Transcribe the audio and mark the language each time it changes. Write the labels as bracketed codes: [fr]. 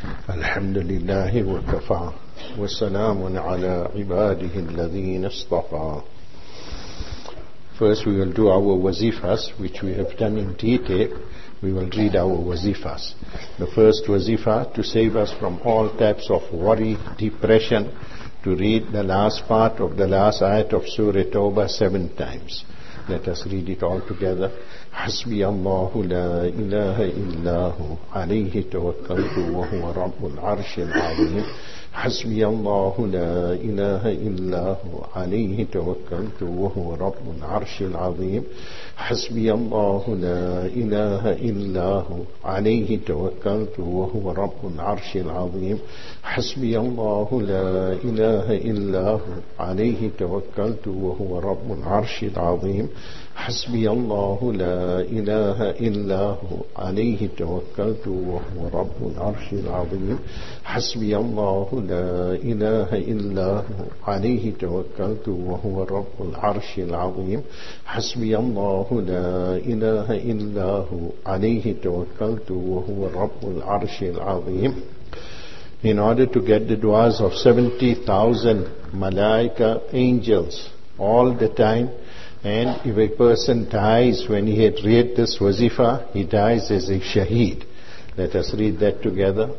[ar] الحمد لله وكفى وسلام على عباده الذين اصطفى. [en] First we will do our wazifas, which we have done in detail. We will read our wazifas. The first wazifa, to save us from all types of worry, depression, to read the last part of the last ayat of Surah Tawbah 7 times. Let us read it all together. [ar] حسبي الله لا إله إلا هو عليه توكلت وهو رب العرش العظيم حسبي الله لا إله إلا هو عليه توكلت وهو رب العرش العظيم حسبي الله لا إله إلا هو عليه توكلت وهو رب العرش العظيم حسبي الله لا إله إلا هو عليه توكلت وهو رب العرش العظيم حسبي الله لا إله إلا هو عليه توكلت وهو رب العرش العظيم حسبي الله لا إله إلا هو عليه توكلت وهو رب العرش العظيم حسبي الله لا إله إلا هو عليه توكلت وهو رب العرش العظيم. [en] In order to get the du'as of 70,000 malaika, angels, all the time. And if a person dies when he had read this wazifa, he dies as a shaheed. Let us read that together.